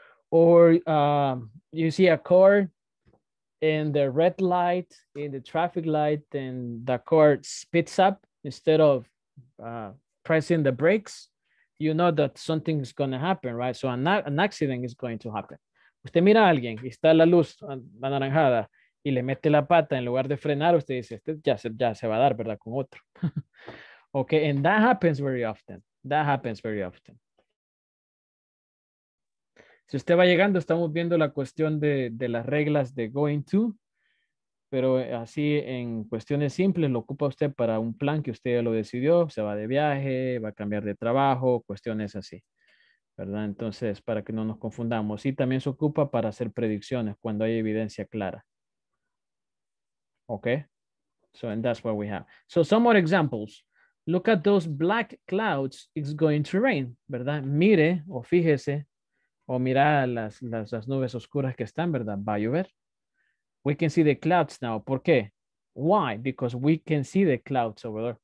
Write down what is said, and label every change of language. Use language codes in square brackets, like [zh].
[en] Or you see a car in the red light, in the traffic light, and the car speeds up instead of pressing the brakes. you know that something is going to happen, right? So an accident is going to happen. [es] Usted mira a alguien y está la luz anaranjada y le mete la pata en lugar de frenar, usted dice, este ya se va a dar, ¿verdad? Con otro. [en] Okay, and that happens very often. That happens very often. [es] Si usted va llegando, estamos viendo la cuestión de las reglas de going to, pero así en cuestiones simples lo ocupa usted para un plan que usted ya lo decidió, se va de viaje, va a cambiar de trabajo, cuestiones así, ¿verdad? Entonces, para que no nos confundamos. Y también se ocupa para hacer predicciones cuando hay evidencia clara. [en] Okay, so and that's what we have. So some more examples. Look at those black clouds. It's going to rain, [es] ¿verdad? Mire o fíjese o mira las nubes oscuras que están, ¿verdad? Va a llover. [en] We can see the clouds now. [es] ¿Por qué? [en] Why? Because we can see the clouds over there.